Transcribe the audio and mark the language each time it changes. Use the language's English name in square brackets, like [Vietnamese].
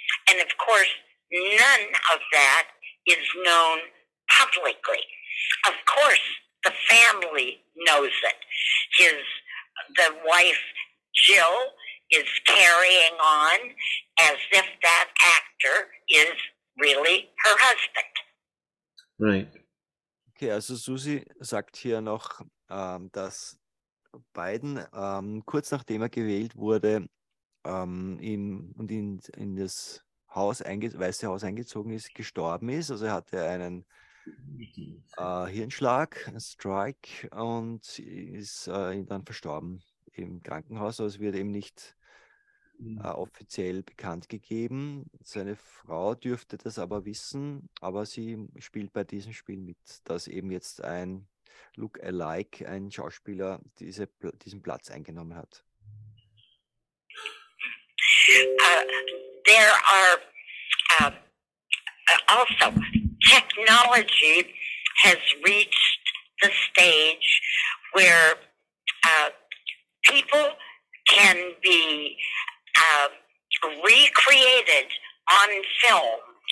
[English] And of course, none of that is known publicly. Of course, the family knows it. The wife, Jill, is carrying on as if that actor is really her husband. Right. [German] Okay, also Susi sagt hier noch, dass Biden kurz nachdem er gewählt wurde in das Haus Weiße Haus eingezogen ist, gestorben ist. Also er hatte einen Hirnschlag, einen Strike und ist dann verstorben im Krankenhaus. Also es wird eben nicht offiziell bekannt gegeben. Seine Frau dürfte das aber wissen, aber sie spielt bei diesem Spiel mit, dass eben jetzt ein Look-alike, ein Schauspieler, diesen Platz eingenommen hat. [English] There are also technology has reached the stage where people can be recreated on film.